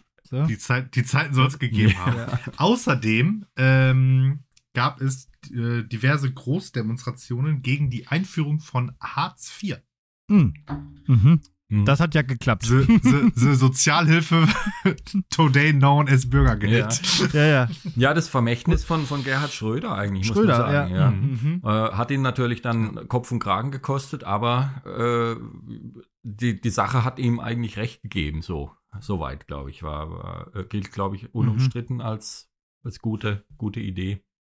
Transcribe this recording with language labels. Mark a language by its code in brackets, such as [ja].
[de] Die Zeiten soll es gegeben haben. Außerdem gab es diverse Großdemonstrationen gegen die Einführung von Hartz IV. Das hat ja geklappt. [en] The Sozialhilfe, today known as Bürgergeld. [de] Ja, das Vermächtnis von Gerhard Schröder eigentlich, Schröder, muss man sagen. Ja. Hat ihn natürlich dann Kopf und Kragen gekostet, aber die Sache hat ihm eigentlich recht gegeben, soweit, glaube ich. Gilt, glaube ich, unumstritten als gute Idee.